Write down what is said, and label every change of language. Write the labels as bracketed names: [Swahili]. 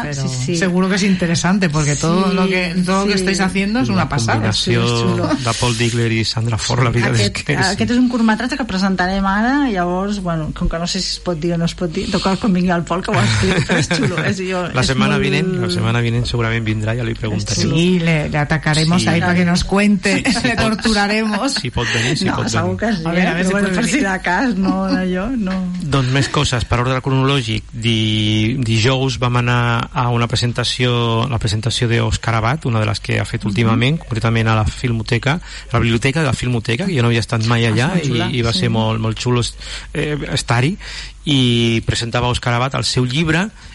[Catalan] seguro que és interessant, perquè tot lo que estàs fent és una passada. La combinació de Paul Digler i Sandra Ford, la vida d'aquest. Aquest és un curtmetratge que presentarem ara, i llavors, bueno, com que no sé si es pot dir o no es pot dir, toca quan vingui el Pol, que ho expliqui, però és xulo. La setmana vinent segurament vindrà, ja li preguntaré. [Spanish] Sí, le atacaremos ahí para que nos cuente, le torturaremos. [Catalan] Si pot venir, segur que sí. A veure si pot venir. Doncs més coses, per ordre cronològic, dijous vam anar a una presentació, la presentació d'Òscar Abad, una de les que ha fet últimament, concretament a la Filmoteca, a la Biblioteca de la Filmoteca, que jo no havia estat mai allà, i va ser molt xulo estar-hi, i presentava Òscar Abad el seu llibre,